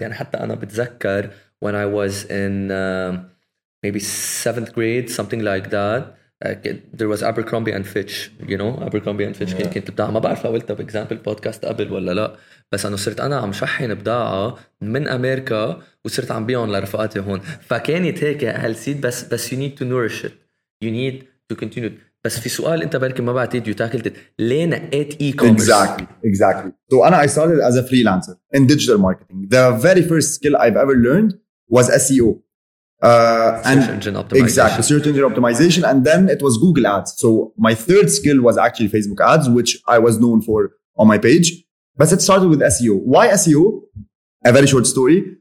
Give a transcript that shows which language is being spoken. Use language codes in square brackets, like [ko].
[ar] يعني حتى أنا بتذكر [en] when I was in maybe seventh grade, something like that, there was Abercrombie and Fitch, you know, Abercrombie and Fitch. Yeah. [ar] كنت بتاع ما بعرف قلتها [en] بإكزامبل بودكاست [ar] قبل ولا لا, بس أنا صرت أنا عم شحن بضاعة من أمريكا وصرت عم بيعهم لرفقاتي هون, فكانت هيك هالسيد. [en] بس you need to nourish it, you need to continue. [ar] بس في سؤال أنت بركي ما بعتيد, [en] you tackled it, [ar] ليه نقيت e-commerce؟ [en] Exactly. So أنا I started as a freelancer in digital marketing. The very first skill I've ever learned was SEO. Search engine optimization, and then it was Google Ads. So my third skill was actually Facebook Ads, which I was known for on my page. But it started with SEO. Why SEO? A very short story.